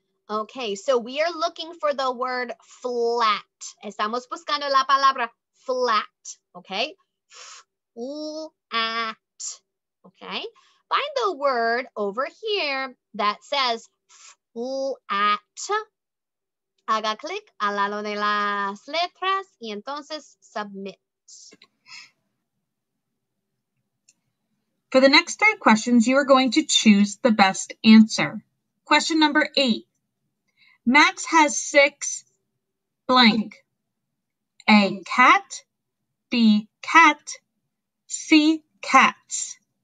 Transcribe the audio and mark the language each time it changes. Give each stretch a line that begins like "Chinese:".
English: Okay, so we are looking for the word flat.
Spanish: Estamos buscando la palabra flat, okay?
English: F-u-at, okay? Find the word over here that says f-u-at.
Spanish: Haga clic al lado de las letras y entonces submit.
English: For the next 3 questions, you are going to choose the best answer. Question number 8. Max has 6 blank. A, cat. B, cat. C, cats.